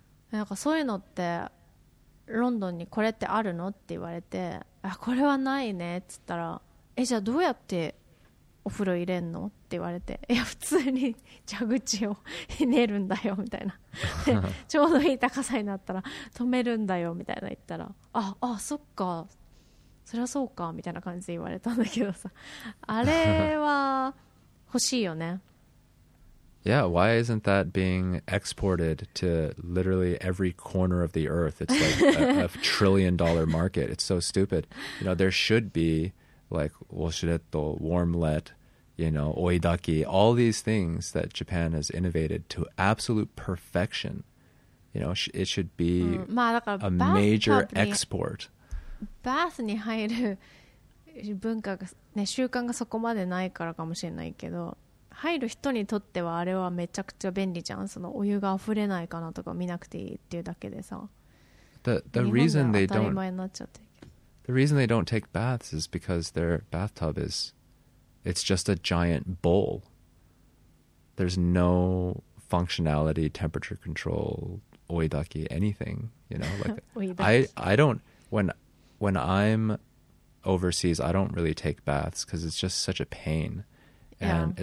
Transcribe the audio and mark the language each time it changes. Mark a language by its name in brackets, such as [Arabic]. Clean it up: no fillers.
[Japanese] なんかそういうのってロンドンにこれってあるのって言われて、あこれはないねっつったら、えじゃあどうやってお風呂入れんのって言われて、いや普通に蛇口をひねるんだよみたいな、ちょうどいい高さになったら止めるんだよみたいな言ったら、ああそっかそりゃそうかみたいな感じで言われたんだけどさ、あれは欲しいよね。 [English] Yeah, why isn't that being exported to literally every corner of the earth? It's like a $1 trillion market. It's so stupid. You know, there should beLike washeretto, warmlet, you know, oidaki, all these things that Japan has innovated to absolute perfection. You know, it should be、 [Japanese] うんまあ、だから [English] a major export. [Japanese] バスに入る文化が、ね、習慣がそこまでないからかもしれないけど、入る人にとってはあれはめちゃくちゃ便利じゃん。そのお湯が溢れないかなとか見なくていいっていうだけでさ。 [English] The reason they don't... [Japanese] なっちゃって [English] The The reason they don't take baths is because their bathtub is, it's just a giant bowl. There's no functionality, temperature control, oidaki, anything, you know? Like, when I'm overseas, I don't really take baths because it's just such a pain. And yeah.